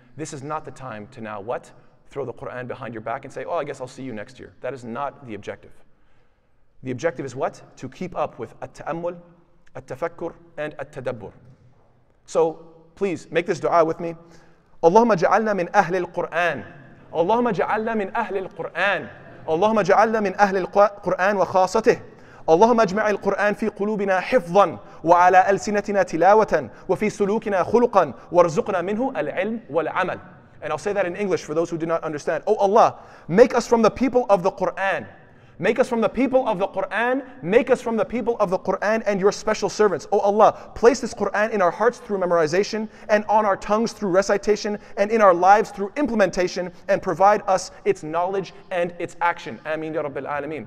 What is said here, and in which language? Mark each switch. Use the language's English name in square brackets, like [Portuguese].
[English] This is not the time to now what? Throw the Quran behind your back and say, oh, I guess I'll see you next year. That is not the objective. The objective is what? To keep up with at-ta'ammul, at-tafakkur, and at-tadabbur. So please make this dua with me. [Arabic] Allahumma ja'alna min ahli al-Quran. Allahumma ja'alna min ahli al-Quran. اللهم اجعلنا من أهل القرآن وخاصته اللهم اجمع القرآن في قلوبنا حفظا وعلى ألسنتنا تلاوة وفي سلوكنا خلقا وارزقنا منه العلم والعمل. [English] And I'll say that in English for those who do not understand. Oh Allah, make us from the people of the Quran. Make us from the people of the Quran. Make us from the people of the Quran and your special servants. Oh Allah, place this Quran in our hearts through memorization and on our tongues through recitation and in our lives through implementation, and provide us its knowledge and its action. [Arabic] Ameen ya Rabbil Alameen.